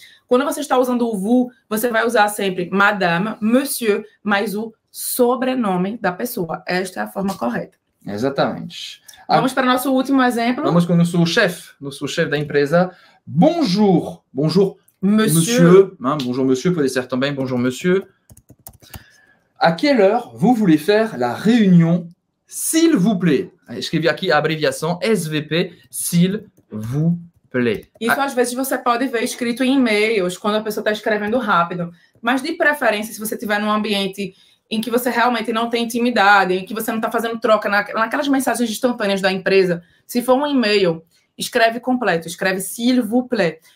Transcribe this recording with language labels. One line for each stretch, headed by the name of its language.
Portuguese: Quando você está usando o vous, você vai usar sempre madame, monsieur, mais o sobrenome da pessoa. Esta é a forma correta. Exatamente. Vamos para o nosso último exemplo. Vamos com o nosso chefe da empresa.
French: Bonjour. Bonjour, monsieur.
Portuguese: Hein,
French: bonjour, monsieur,
Portuguese: pode ser também.
French: Bonjour, monsieur. À quelle heure vous voulez faire la réunion, s'il vous plaît?
Portuguese: Escrevi aqui a abreviação SVP,
French: s'il vous plaît.
Portuguese: Isso, às vezes, você pode ver escrito em e-mails, quando a pessoa está escrevendo rápido. Mas, de preferência, se você estiver num ambiente em que você realmente não tem intimidade, em que você não está fazendo troca naquelas mensagens instantâneas da empresa, se for um e-mail, escreve completo, escreve
French: s'il vous plaît.